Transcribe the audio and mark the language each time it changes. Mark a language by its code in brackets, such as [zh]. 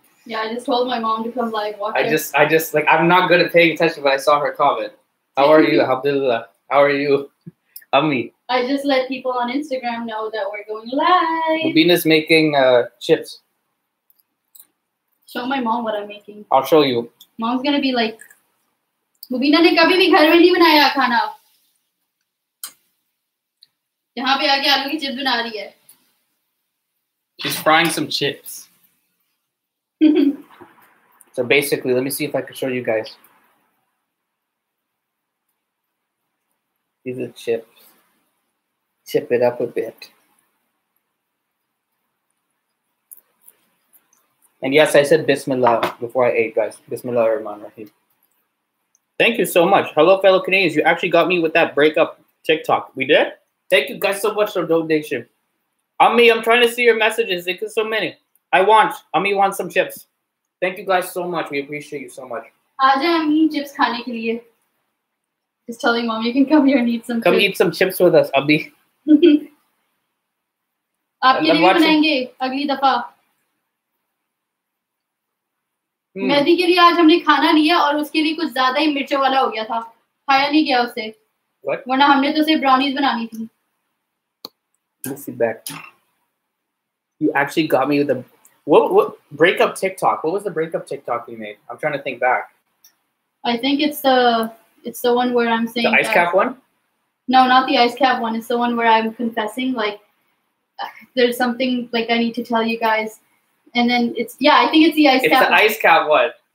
[en] Yeah, I just told my mom to come live watch. I just like, I'm not good at paying attention, but I saw her comment. How are you? Alhamdulillah. How are you? Ami. I just let people on Instagram know that we're going live. Mubina's making chips. Show my mom what I'm making. I'll show you. Mom's gonna be like, [ur] مبینہ نے کبھی بھی گھر میں نہیں بنایا کھانا۔ یہاں پے آکے آلو کی چپس بنا رہی ہے۔ [en] She's frying some chips. So basically, let me see if I can show you guys. These are chips. Chip it up a bit. And yes, I said Bismillah before I ate, guys. Bismillah ar-Rahman ar-Rahim. Thank you so much. Hello, fellow Canadians. You actually got me with that breakup TikTok. We did? Thank you guys so much for donation. Ami, I'm trying to see your messages. It's so many. Ami wants some chips. Thank you guys so much. We appreciate you so much. [ur] آجا، امی، chips کھانے کے لیے۔ [en] Just telling mom you can come here and eat some chips. Come eat some chips with us, Ami. [ur] آپ کے لیے بنائیں گے اگلی دفعہ۔ مہدی کے لیے آج ہمنے کھانا لیا اور اسکے لیے کچھ زیادہ ہی مرچے والا ہو گیا تھا۔ کھایا نہیں گیا اس سے۔ [en] What? [ur] ورنہ ہمنے تو صرف براؤنیز بنانی تھی۔ [en] Let's see back. You actually got me with a... What breakup TikTok? What was the breakup TikTok we made? I'm trying to think back. I think it's the one where I'm saying the ice cap one. No, not the ice cap one. It's the one where I'm confessing. Like, there's something like I need to tell you guys, and then I think it's the ice cap one.